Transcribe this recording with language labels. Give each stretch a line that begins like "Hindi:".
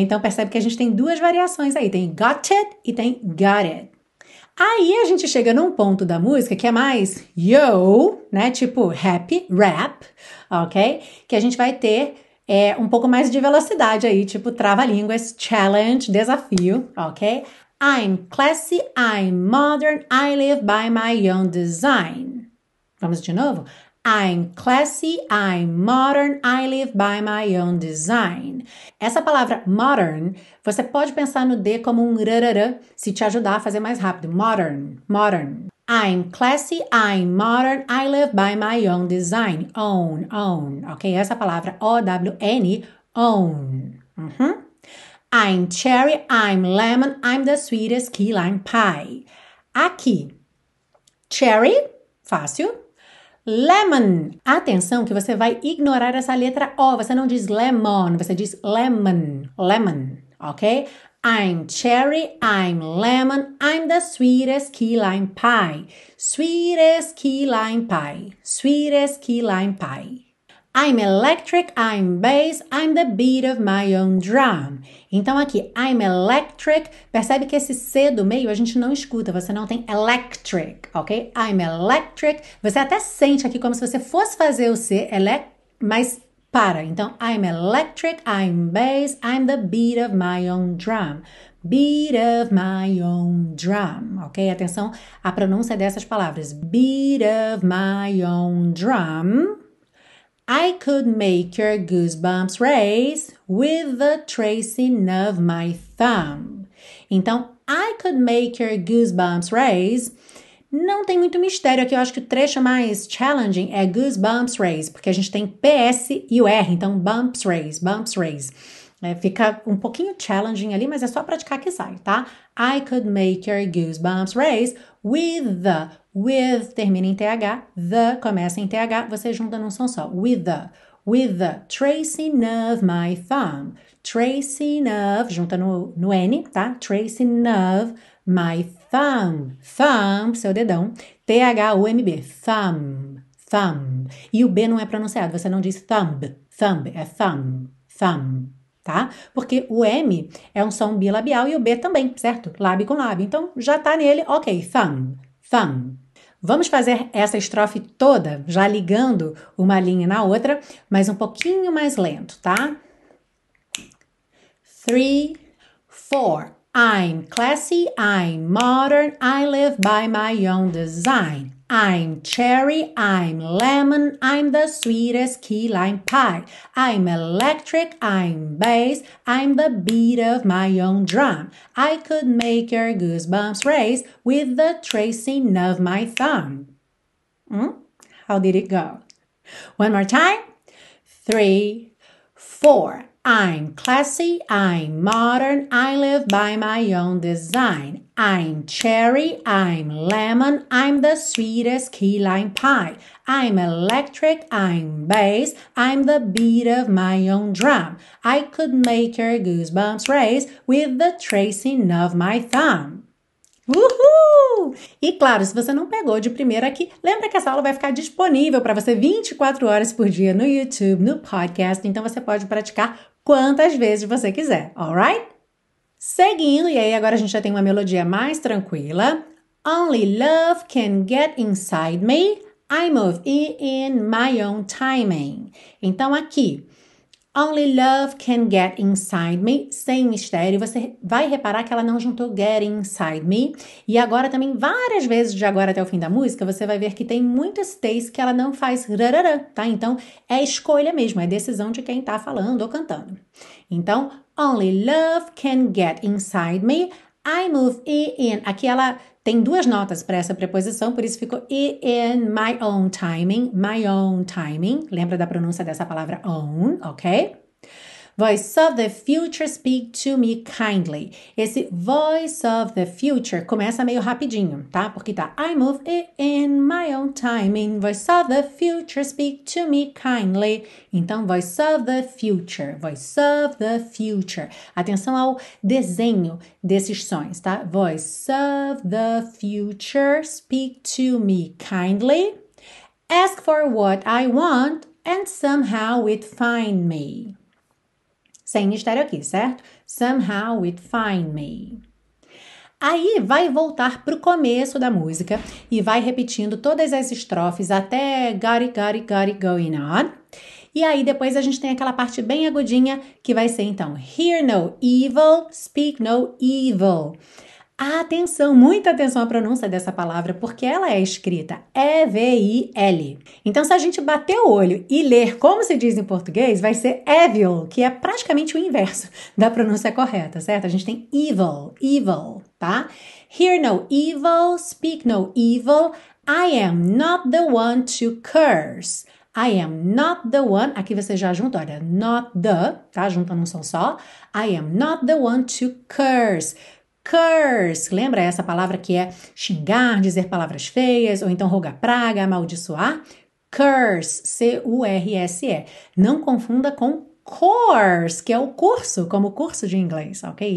Portuguese: Então, percebe que a gente tem duas variações aí, tem got it e tem got it. Aí, a gente chega num ponto da música que é mais yo, né? Tipo, happy, rap, ok? Que a gente vai ter um pouco mais de velocidade aí, tipo trava-línguas, challenge, desafio, ok?
English: I'm classy, I'm modern, I live by my own design.
Portuguese: Vamos de novo?
English: I'm classy, I'm modern, I live by my own design.
Portuguese: Essa palavra modern, você pode pensar no D como um rarara, se te ajudar a fazer mais rápido.
English: Modern, modern. I'm classy, I'm modern, I live by my own design.
Portuguese: Own, own. Ok, essa palavra, O-W-N, own. Uh-huh.
English: I'm cherry, I'm lemon, I'm the sweetest key lime pie.
Portuguese: Aqui, cherry, fácil. Lemon. Atenção que você vai ignorar essa letra O. Você não diz lemon, você diz lemon, lemon. Ok?
English: I'm cherry, I'm lemon, I'm the sweetest key lime pie. Sweetest key lime pie. Sweetest key lime pie. I'm electric, I'm bass, I'm the beat of my own drum.
Portuguese: Então aqui,
English: I'm electric,
Portuguese: percebe que esse C do meio a gente não escuta, você não tem electric, ok?
English: I'm electric,
Portuguese: você até sente aqui como se você fosse fazer o C, mas para.
English: Então, I'm electric, I'm bass, I'm the beat of my own drum. Beat of my own drum, ok?
Portuguese: Atenção à pronúncia dessas palavras.
English: Beat of my own drum. I could make your goosebumps raise with the tracing of my thumb. Então, I could make your goosebumps raise.
Portuguese: Não tem muito mistério aqui, eu acho que o trecho mais challenging é
English: goosebumps raise,
Portuguese: porque a gente tem PS e o R, então
English: bumps raise, bumps raise.
Portuguese: Fica um pouquinho challenging ali, mas é só praticar que sai, tá?
English: I could make your goosebumps raise with the, with
Portuguese: termina em TH,
English: the
Portuguese: começa em TH, você junta num som só,
English: with the tracing of my thumb, tracing of,
Portuguese: junta no N, tá?
English: Tracing of my thumb, thumb,
Portuguese: seu dedão, THUMB, thumb, thumb, e o B não é pronunciado, você não diz thumb, thumb, é thumb, thumb. Tá? Porque o M é um som bilabial e o B também, certo? Lábio com lábio. Então, já tá nele, ok, thumb, thumb. Vamos fazer essa estrofe toda, já ligando uma linha na outra, mas um pouquinho mais lento, tá?
English: Three, four. I'm classy, I'm modern, I live by my own design. I'm cherry, I'm lemon, I'm the sweetest key lime pie. I'm electric, I'm bass, I'm the beat of my own drum. I could make your goosebumps race with the tracing of my thumb. How did it go? One more time. Three, four. I'm classy, I'm modern, I live by my own design. I'm cherry, I'm lemon, I'm the sweetest key lime pie. I'm electric, I'm bass, I'm the beat of my own drum. I could make your goosebumps race with the tracing of my thumb. Uhul!
Portuguese: E claro, se você não pegou de primeira aqui, lembra que essa aula vai ficar disponível para você 24 horas por dia no YouTube, no podcast, então você pode praticar quantas vezes você quiser, alright? Seguindo, e aí agora a gente já tem uma melodia mais tranquila.
English: Only love can get inside me. I move in my own timing.
Portuguese: Então aqui,
English: only love can get inside me,
Portuguese: sem mistério. Você vai reparar que ela não juntou
English: get inside me.
Portuguese: E agora também, várias vezes de agora até o fim da música, você vai ver que tem muitos takes que ela não faz rarara, tá? Então é escolha mesmo, é decisão de quem tá falando ou cantando.
English: Então, only love can get inside me. I move in.
Portuguese: Aqui ela tem duas notas para essa preposição, por isso ficou
English: in my own timing. My own timing.
Portuguese: Lembra da pronúncia dessa palavra own, ok?
English: Voice of the future, speak to me kindly.
Portuguese: Esse voice of the future começa meio rapidinho, tá? Porque tá
English: I move in my own timing. Voice of the future, speak to me kindly. Então, voice of the future, voice of the future.
Portuguese: Atenção ao desenho desses sons, tá?
English: Voice of the future, speak to me kindly. Ask for what I want and somehow it find me.
Portuguese: Sem mistério aqui, certo?
English: Somehow it find me.
Portuguese: Aí vai voltar pro começo da música e vai repetindo todas as estrofes até got it going on. E aí depois a gente tem aquela parte bem agudinha que vai ser então
English: hear no evil, speak no evil.
Portuguese: Atenção, muita atenção à pronúncia dessa palavra, porque ela é escrita E-V-I-L. Então, se a gente bater o olho e ler como se diz em português, vai ser evil, que é praticamente o inverso da pronúncia correta, certo? A gente tem evil, evil, tá?
English: Hear no evil, speak no evil, I am not the one to curse. I am not the one.
Portuguese: Aqui você já junta, olha,
English: not the,
Portuguese: tá? Junta num som só.
English: I am not the one to curse.
Portuguese: Curse, lembra essa palavra que é xingar, dizer palavras feias, ou então rogar praga, amaldiçoar? Curse, C-U-R-S-E. Não confunda com course, que é o curso, como curso de inglês, ok?